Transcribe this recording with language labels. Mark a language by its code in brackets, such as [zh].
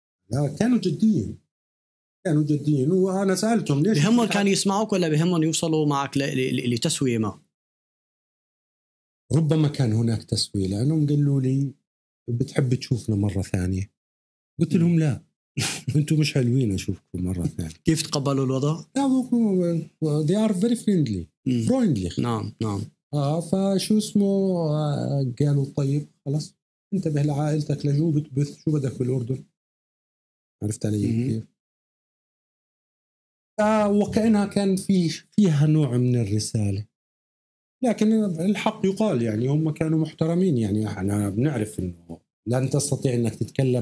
[ar] لا كانوا جديين وأنا سألتهم ليش بهمهم كانوا يسمعوك ولا بهمهم يوصلوا معك لتسوية ما ربما كان هناك تسوية لأنهم قالوا لي بتحب تشوفنا مرة ثانية قلت لهم لا أنتم مش حلوين أشوفكم مرة ثانية كيف تقبلوا الوضع؟ لا [en] they are very friendly friendly [ar] نعم نعم فشو اسمه قالوا طيب خلاص انتبه لعائلتك لجو بتبث شو بدك بالأردن عرفت علي كيف وكأنها كان فيها نوع من الرسالة لكن الحق يقال يعني هم كانوا محترمين يعني احنا بنعرف انه لن تستطيع انك تتكلم